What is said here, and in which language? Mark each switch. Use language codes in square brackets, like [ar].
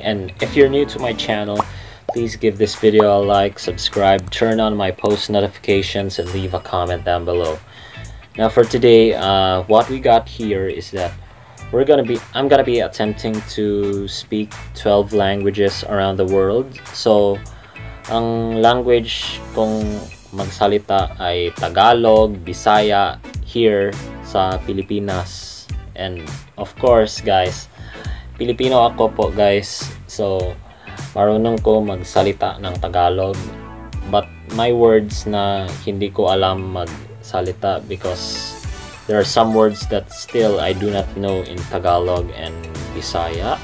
[en] And if you're new to my channel, please give this video a like, subscribe, turn on my post notifications, and leave a comment down below. Now for today, what we got here is that I'm gonna be attempting to speak 12 languages around the world. [tl] So ang language kong magsalita ay Tagalog, Bisaya here sa Pilipinas. [en] And of course, guys, Filipino [tl] ako po, [en] guys. [tl] So marunong ko magsalita ng Tagalog, [en] but my words [tl] na hindi ko alam magsalita [en] because there are some words that still I do not know in Tagalog and Bisaya.